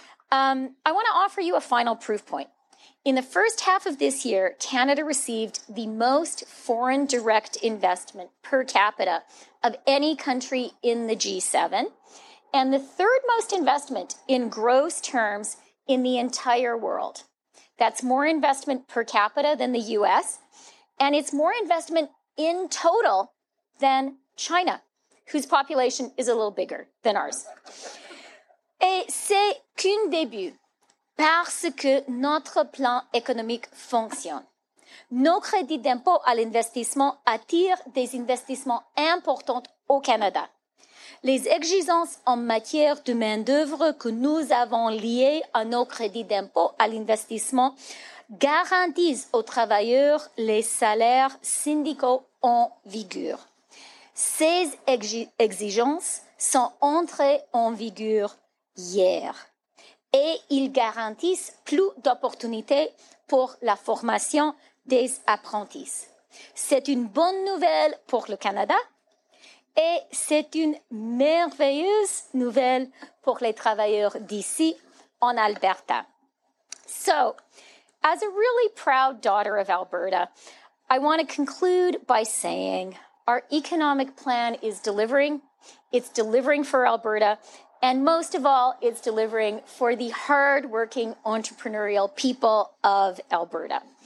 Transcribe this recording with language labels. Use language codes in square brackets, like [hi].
[en] I want to offer you a final proof point. In the first half of this year, Canada received the most foreign direct investment per capita of any country in the G7, and the third most investment in gross terms in the entire world. That's more investment per capita than the U.S., and it's more investment in total than China, whose population is a little bigger than ours. [fr] Et c'est qu'un début, parce que notre plan économique fonctionne. Nos crédits d'impôt à l'investissement attirent des investissements importants au Canada. Les exigences en matière de main-d'œuvre que nous avons liées à nos crédits d'impôt à l'investissement garantissent aux travailleurs les salaires syndicaux en vigueur. Ces exigences sont entrées en vigueur hier, et ils garantissent plus d'opportunités pour la formation des apprentis. C'est une bonne nouvelle pour le Canada et c'est une merveilleuse nouvelle pour les travailleurs d'ici en Alberta. [en] So, as a really proud daughter of Alberta, I want to conclude by saying our economic plan is delivering. It's delivering for Alberta. And most of all, it's delivering for the hardworking entrepreneurial people of Alberta.